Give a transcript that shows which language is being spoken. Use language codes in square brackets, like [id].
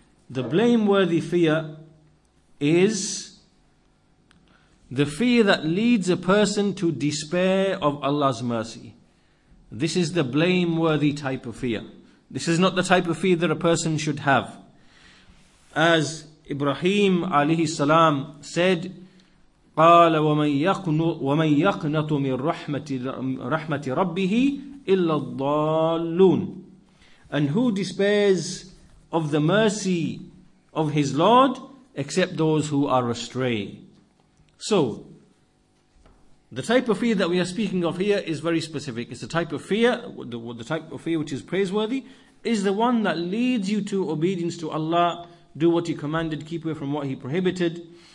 [en] The blameworthy fear is the fear that leads a person to despair of Allah's mercy. This is the blameworthy type of fear. This is not the type of fear that a person should have. As Ibrahim alayhi salam said, [ar] قَالَ وَمَنْ يَقْنَطُ مِنْ رَحْمَةِ رَبِّهِ إِلَّا الضَّالُّونَ. [en] And who despairs of the mercy of his Lord except those who are astray? So, the type of fear that we are speaking of here is very specific. It's the type of fear, the type of fear which is praiseworthy, is the one that leads you to obedience to Allah, do what he commanded, keep away from what he prohibited.